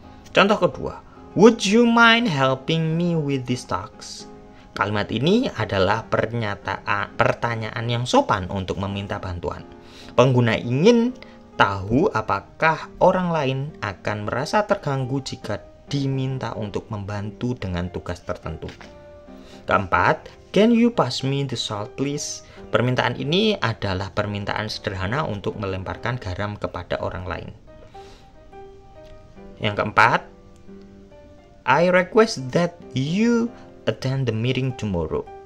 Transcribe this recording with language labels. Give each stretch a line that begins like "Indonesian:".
Indonesian: Contoh kedua,
English: would you mind helping me with this task?
Indonesian: Kalimat ini adalah pertanyaan yang sopan untuk meminta bantuan. Pengguna ingin tahu apakah orang lain akan merasa terganggu jika diminta untuk membantu dengan tugas tertentu. Keempat,
English: can you pass me the salt, please?
Indonesian: Permintaan ini adalah permintaan sederhana untuk melemparkan garam kepada orang lain. Yang keempat,
English: I request that you attend the meeting tomorrow.